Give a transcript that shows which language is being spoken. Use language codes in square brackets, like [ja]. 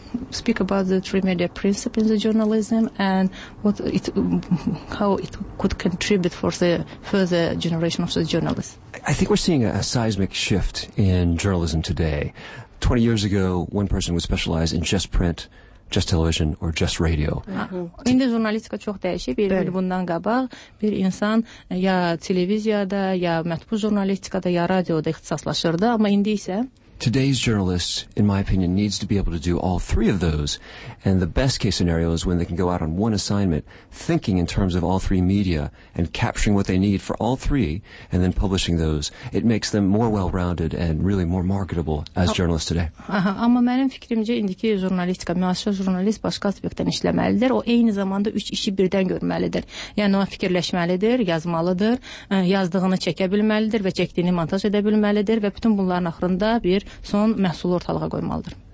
[en] Speak about the trimedia principle in the journalism and what it, how it could contribute for the further generation of the journalists. I think we're seeing a seismic shift in journalism today. 20 years ago, one person would specialize in just print, just television or just radio. [az] İndi jurnalistika çox dəyişib. Bundan qabaq bir insan ya televiziyada ya mətbu jurnalistikada ya radioda ixtisaslaşırdı, amma indi isə [en] today's journalist, in my opinion, needs to be able to do all three of those. And the best case scenario is when they can go out on one assignment, thinking in terms of all three media and capturing what they need for all three and then publishing those. It makes them more well-rounded and really more marketable as journalists today. [az] Amma mənim fikrimcə indiki jurnalistika, müasir jurnalist başqa aspektdən işləməlidir. O eyni zamanda üç işi birdən görməlidir. Yəni o fikirləşməlidir, yazmalıdır, yazdığını çəkə bilməlidir və çəkdiyini montaj edə bilməlidir və bütün bunların axırında bir son məhsulu ortalığa qoymalıdır.